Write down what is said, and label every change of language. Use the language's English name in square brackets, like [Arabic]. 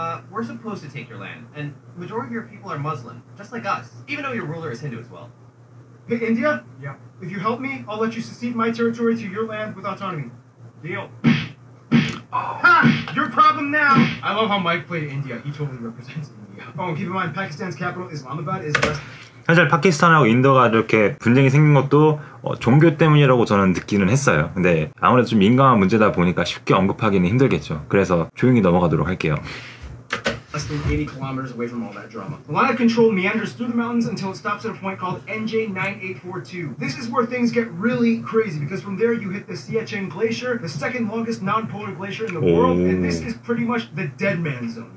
[English] We're supposed to take your land, and the majority of your people are Muslim, just like us, even though your ruler is Hindu as well. Hey, India? Yeah? If you help me, I'll let you secede my territory to your land with autonomy. Deal. Oh. Ha! Your problem now! I love how Mike played India. He totally represents India. Oh, and keep in mind, Pakistan's capital, Islamabad, is less... [Korean] 사실 파키스탄하고 인도가 이렇게 분쟁이 생긴 것도 종교 때문이라고 저는 느끼는 했어요. 근데 아무래도 좀 민감한 문제다 보니까 쉽게 언급하기는 힘들겠죠. 그래서 조용히 넘어가도록 할게요. [English] Less than 80 kilometers away from all that drama. The line of control meanders through the mountains until it stops at a point called NJ9842. This is where things get really crazy because from there you hit the Siachen Glacier, the second longest non-polar glacier in the world, and this is pretty much the dead man zone.